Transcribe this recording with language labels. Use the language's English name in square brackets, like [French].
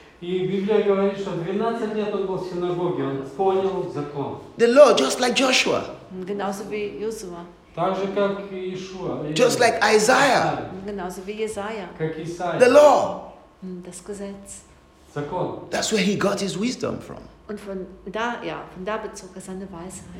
[Russian] И Библия говорит, что 12 лет он был в синагоге, он понял закон. [English] The law, just like Joshua. [German] Genauso wie Josua. [Russian] Так же, как и Иешуа. [English] Just like Isaiah. [German] Genauso wie Jesaja. [Russian] Как Исаия. [English] The law. [German] Das Gesetz. [Russian] Закон. [English] That's where he got his wisdom from. [German] Und von da bezog seine Weisheit.